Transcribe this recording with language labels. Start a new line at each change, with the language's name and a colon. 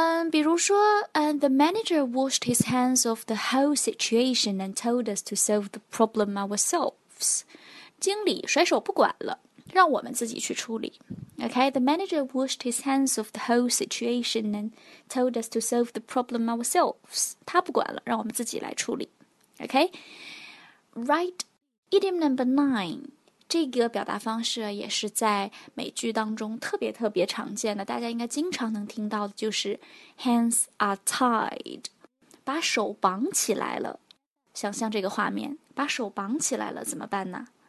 Chinese: 比如说
English: the manager washed his hands of the whole situation and told us to solve the problem ourselves。
Chinese: 经理甩手不管了，让我们自己去处理。
English: Okay, the manager washed his hands of the whole situation and told us to solve the problem ourselves.
Chinese: 他不管了，让我们自己来处理。
English: Okay, right, idiom number nine.
Chinese: 这个表达方式也是在美剧当中特别特别常见的，大家应该经常能听到的，就是
English: hands are tied.
Chinese: 把手绑起来了，想象这个画面，把手绑起来了怎么办呢？